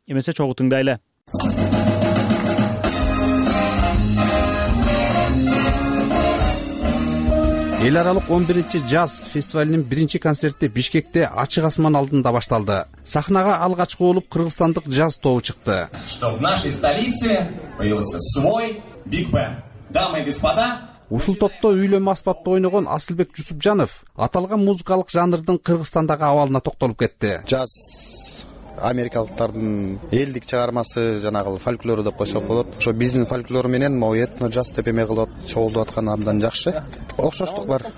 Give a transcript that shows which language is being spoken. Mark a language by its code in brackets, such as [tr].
[ky] Эмесе чогуу тыңдайлы. Эл аралык 11-нчи джаз фестивалинин биринчи концерти Бишкекте ачык асман алдында башталды. Сахнага алгачкы болуп кыргызстандык джаз тобу чыкты. [ru] Что в нашей столице появился свой биг бэнд. Дамы и господа, [ky] ушул топто үйлөмө аспапты ойногон Асылбек Жусупжанов аталган музыкалык жанрдын Кыргызстандагы абалына токтолуп кетти. Джаз америкалыктардын элдик чыгармасы жанагыл фольклору деп койсок болот. Ошо биздин фольклор менен могу этно жаз деп эме кылып чогултуп аткан абдан жакшы. Окшоштук бар.